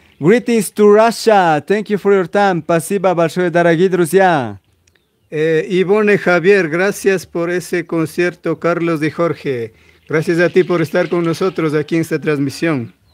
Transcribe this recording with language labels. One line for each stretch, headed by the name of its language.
English: Greetings to Russia, thank you for your time.
Russian: Спасибо большое, дорогие друзья.
Spanish: Ivone Javier, gracias por ese concierto, Carlos y Jorge. Gracias a ti por estar con nosotros aquí en esta transmisión.